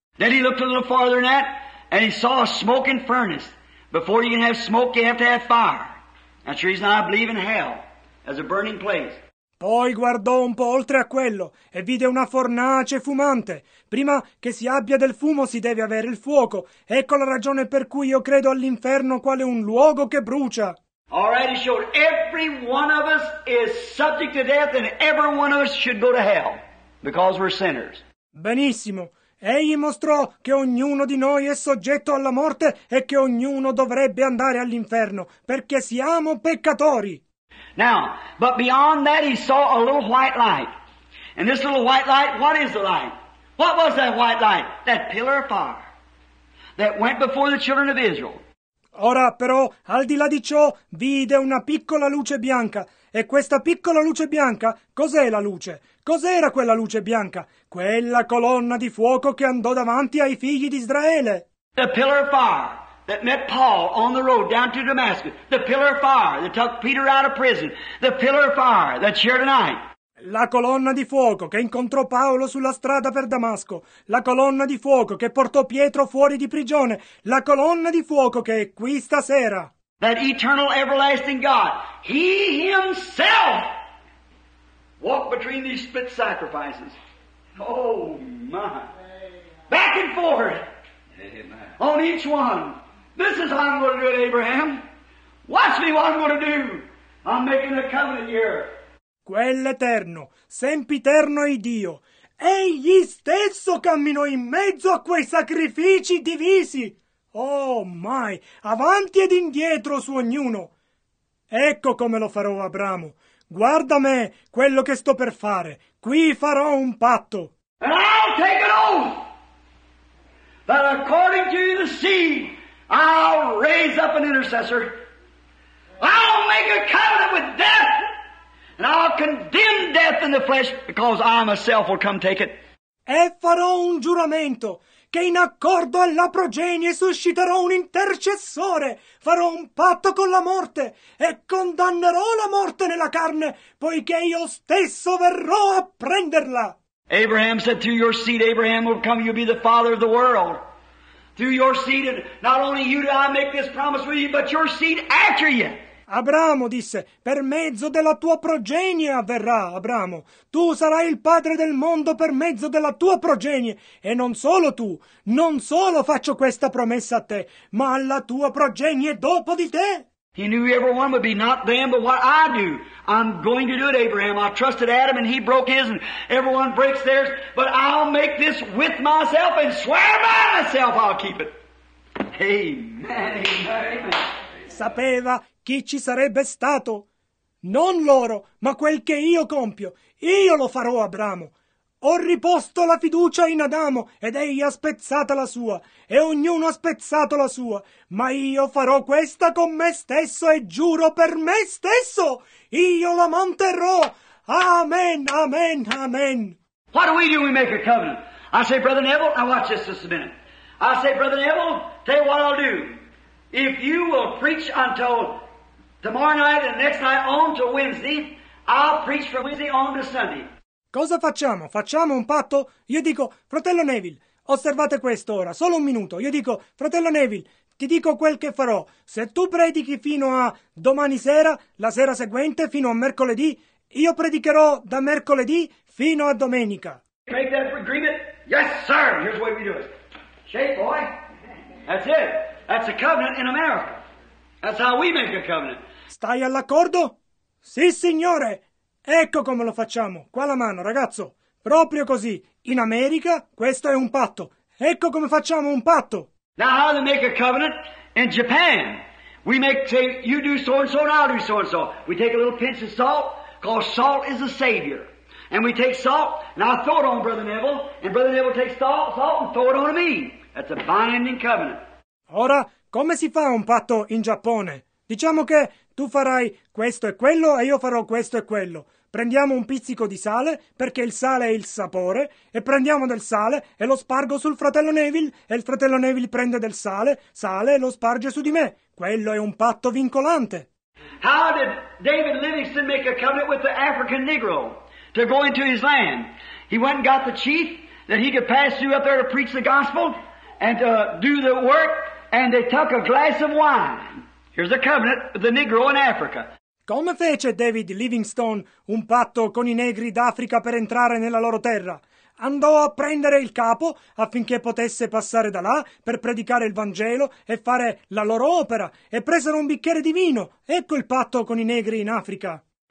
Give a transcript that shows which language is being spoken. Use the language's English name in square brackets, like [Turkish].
[English] Then he looked a little farther than that, and he saw a smoking furnace. Before you can have smoke, you have to have fire. That's the reason I believe in hell. As a burning place. [Italian] Poi guardò un po' oltre a quello e vide una fornace fumante. Prima che si abbia del fumo si deve avere il fuoco. Ecco la ragione per cui io credo all'inferno quale un luogo che brucia. [English] All right, he showed every one of us is subject to death and every one of us should go to hell because we're sinners. [Italian] Benissimo. Egli mostrò che ognuno di noi è soggetto alla morte e che ognuno dovrebbe andare all'inferno perché siamo peccatori. [English] Now, but beyond that he saw a little white light. And this little white light, what is the light? What was that white light? That pillar of fire that went before the children of Israel. [Italian] Ora però, al di là di ciò, vide una piccola luce bianca. E questa piccola luce bianca, cos'è la luce? Cos'era quella luce bianca? Quella colonna di fuoco che andò davanti ai figli di Israele. [English] The pillar of fire. That met Paul on the road down to Damascus. The pillar of fire that took Peter out of prison. The pillar of fire that's here tonight. [Italian] La colonna di fuoco che incontrò Paolo sulla strada per Damasco, la colonna di fuoco che portò Pietro fuori di prigione, la colonna di fuoco che è qui stasera. [English] That eternal everlasting God, he himself walked between these spit sacrifices. Oh my. Back and forth. Amen. On each one. This is how I'm going to do it, Abraham. Watch me what I'm going to do. I'm making a covenant here. [Italian] Quell'eterno, sempiterno Iddio, egli stesso camminò in mezzo a quei sacrifici divisi. Oh, mai, avanti ed indietro su ognuno. Ecco come lo farò, Abramo. Guarda me, quello che sto per fare. Qui farò un patto. [English] And I'll take an oath that according to the seed, I'll raise up an intercessor. I'll make a covenant with death. And I'll condemn death in the flesh because I myself will come take it. [Italian] E farò un giuramento che in accordo alla progenie susciterò un intercessore. Farò un patto con la morte e condannerò la morte nella carne poiché io stesso verrò a prenderla. [English] Abraham said, through your seed, Abraham will come, you'll be the father of the world. Through your seed, and not only you do I make this promise with you, but your seed after you. [Italian] Abramo disse, per mezzo della tua progenie avverrà, Abramo. Tu sarai il padre del mondo per mezzo della tua progenie. E non solo tu, non solo faccio questa promessa a te, ma alla tua progenie dopo di te. [English] He knew everyone would be not them, but what I do. I'm going to do it, Abraham. I trusted Adam and he broke his and everyone breaks theirs. But I'll make this with myself and swear by myself I'll keep it. Amen. [Italian] Sapeva chi ci sarebbe stato? Non loro, ma quel che io compio. Io lo farò, Abramo. Ho riposto la fiducia in Adamo, ed egli ha spezzata la sua, e ognuno ha spezzato la sua. Ma io farò questa con me stesso e giuro per me stesso. Io la manterrò. Amen, amen, amen. [English] What do? We make a covenant. I say, Brother Neville, now watch this just a minute. I say, Brother Neville, tell you what I'll do. If you will preach until tomorrow night and next night on to Wednesday, I'll preach from Wednesday on to Sunday. [Italian] Cosa facciamo? Facciamo un patto? Io dico, fratello Neville, osservate questo ora, solo un minuto. Io dico, fratello Neville, ti dico quel che farò. Se tu predichi fino a domani sera, la sera seguente, fino a mercoledì, io predicherò da mercoledì fino a domenica. [English] Make that agreement? Yes, sir. Here's the way we do it. Shake, boy. That's it. That's a covenant in America. That's how we make a covenant. [Italian] Stai all'accordo? Sì, signore. Ecco come lo facciamo. Qua la mano, ragazzo. Proprio così. In America, questo è un patto. Ecco come facciamo un patto. [English] Now how they make a covenant in Japan. We make, say, you do so and so and I'll do so and so. We take a little pinch of salt, because salt is a savior. And we take salt and I throw it on Brother Neville. And Brother Neville takes salt and throw it on me. That's a binding covenant. [Italian] Ora, come si fa un patto in Giappone? Diciamo che tu farai questo e quello e io farò questo e quello. Prendiamo un pizzico di sale, perché il sale è il sapore, e prendiamo del sale e lo spargo sul fratello Neville, e il fratello Neville prende del sale e lo sparge su di me. Quello è un patto vincolante. [English] How did David Livingston make a covenant with the African Negro to go into his land? He went and got the chief that he could pass through up there to preach the gospel and to do the work, and they took a glass of wine. Here's a covenant with the Negro in Africa. [Italian] Come fece David Livingstone un patto con i negri d'Africa per entrare nella loro terra? Andò a prendere il capo affinché potesse passare da là per predicare il Vangelo e fare la loro opera, e presero un bicchiere di vino. Ecco il patto con i negri in Africa.